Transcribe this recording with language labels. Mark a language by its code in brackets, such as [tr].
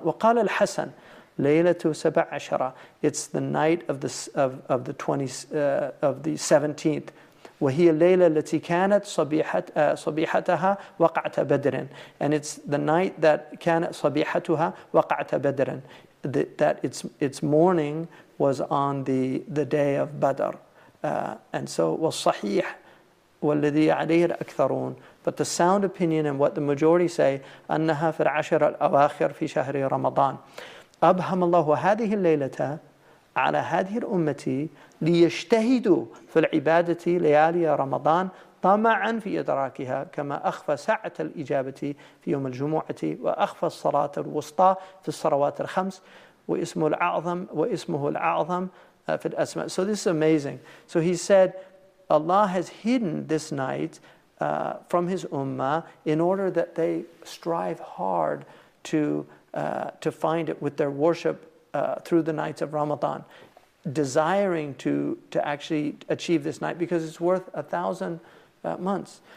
[ar] وَقَالَ الْحَسَنُ لَيْلَةُ سَبَعَشَرَ. [en] It's the night of the 17th. [ar] وَهِيَ لَيْلَةُ الَّتِي كَانَتْ صَبِيحَتَهَا وَقَعْتَ بَدْرٍ. [en] And it's the night that [ar] كَانَتْ صَبِيحَتُهَا وَقَعْتَ بَدْرٍ. [en] That its morning was on the day of Badr. And so, [ar] وَالصَّحِيح وَالَّذِي عَلَيْهِ الْأَكْثَرُونَ. [en] But the sound opinion and what the majority say, [ar] أَنَّهَا فِي الْعَشَرَ الْأَوَاخِرِ فِي شَهْرِ رَمَضَانِ. أبهم الله هذه الليلة على هذه الأمة ليجتهدوا في العبادة ليالي رمضان طمعا في إدراكها كما أخفى ساعة الإجابة في يوم الجمعة وأخفى الصلاة الوسطى في الصلوات الخمس واسمه الأعظم في الأسماء. [en] So this is amazing. So he said, Allah has hidden this night from his ummah in order that they strive hard to find it with their worship through the nights of Ramadan, desiring to actually achieve this night because it's worth 1,000 months.